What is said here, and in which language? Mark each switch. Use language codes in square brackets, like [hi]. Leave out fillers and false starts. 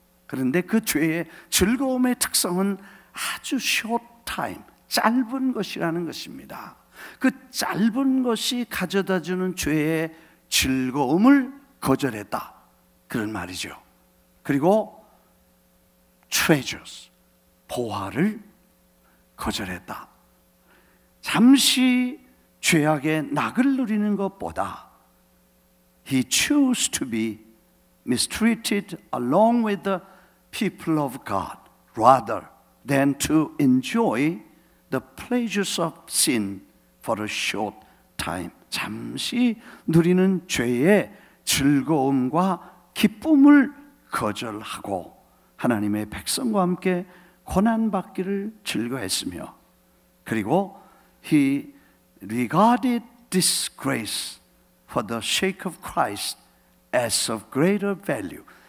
[ko] 그런데 그 죄의 즐거움의 특성은 아주 [en] short time, [ko] 짧은 것이라는 것입니다. 그 짧은 것이 가져다주는 죄의 즐거움을 거절했다, 그런 말이죠. 그리고 treasures, 보화를 거절했다. 잠시 죄악의 낙을 누리는 것보다 [en] he chose to be mistreated along with the people of God rather than to enjoy the pleasures of sin for a short time. [ko] 잠시 누리는 죄의 즐거움과 기쁨을 거절하고 하나님의 백성과 함께 고난받기를 즐거워했으며 그리고 [en] he regarded disgrace for the sake of Christ as of greater value.